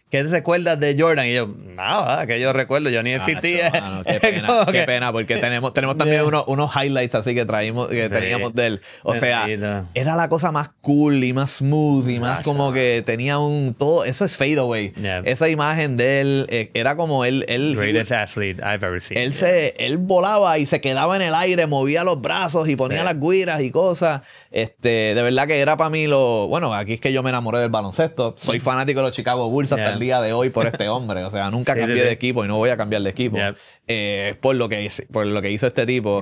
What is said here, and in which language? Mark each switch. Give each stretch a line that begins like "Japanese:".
Spanish: ¿qué te recuerdas de Jordan? Y yo, nada, que yo recuerdo, yo ni existía. Ah, mano, qué pena, qué pena, porque tenemos también unos highlights así que traímos, que teníamos de él. O sea, era la cosa más cool y más smooth y más como que tenía un todo. Eso es fadeaway. Yeah. Esa imagen de él era como él.
English: Greatest athlete I've ever seen.
Spanish: Él volaba y se quedaba en el aire, movía los brazos y ponía las guiras y cosas. De verdad que era para mí lo. Bueno, aquí es que yo me enamoré del baloncesto. Soy fanático de los Chicago Bulls. Yeah. El día de hoy por este hombre. O sea, nunca cambié de equipo y no voy a cambiar de equipo. Yep. Por lo que hizo este tipo.